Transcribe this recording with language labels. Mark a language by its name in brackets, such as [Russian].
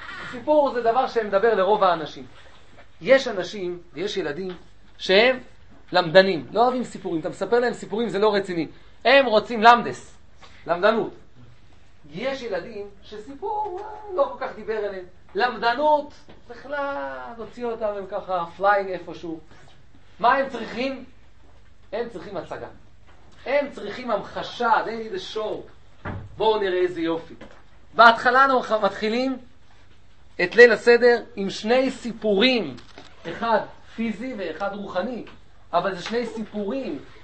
[Hebrew] סיפור זה דבר שמדבר לרוב האנשים. יש אנשים ויש ילדים שהם למדנים, לא אוהבים סיפורים. אתה מספר להם סיפורים, זה לא רציני. הם רוצים למדס, למדנות. יש ילדים שסיפור לא כל כך דיבר אליהם. למדנות, בכלל, נוציא אותם, הם ככה, פליינג איפשהו. מה הם צריכים? הם צריכים הצגה. הם צריכים המחשה, [English] they need a show. [Hebrew] בואו נראה איזה יופי. בהתחלה אנחנו מתחילים את ליל הסדר עם שני סיפורים. אחד פיזי ואחד רוחני. אבל זה שני סיפורים.